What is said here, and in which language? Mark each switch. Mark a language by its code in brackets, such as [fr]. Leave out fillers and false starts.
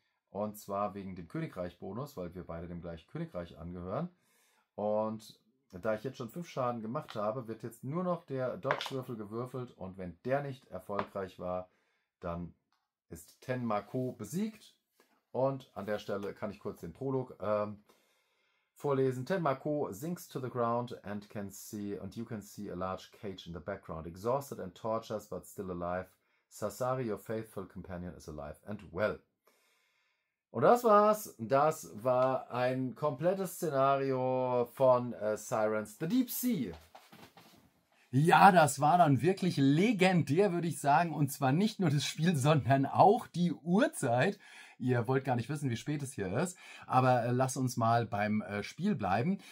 [de] Und zwar wegen dem Königreich-Bonus, weil wir beide dem gleichen Königreich angehören. Und da ich jetzt schon 5 Schaden gemacht habe, wird jetzt nur noch der Dodge-Würfel gewürfelt. Und wenn der nicht erfolgreich war, dann ist Tenmako besiegt. Und an der Stelle kann ich kurz den Prolog vorlesen. [en] Tenmako sinks to the ground and can see, and you can see a large cage in the background. Exhausted and tortured, but still alive. Sasari, your faithful companion, is alive and well. [de] Und das war's. Das war ein komplettes Szenario von Sirens the Deep Sea. Ja, das war dann wirklich legendär, würde ich sagen. Und zwar nicht nur das Spiel, sondern auch die Uhrzeit. Ihr wollt gar nicht wissen, wie spät es hier ist. Aber lasst uns mal beim Spiel bleiben.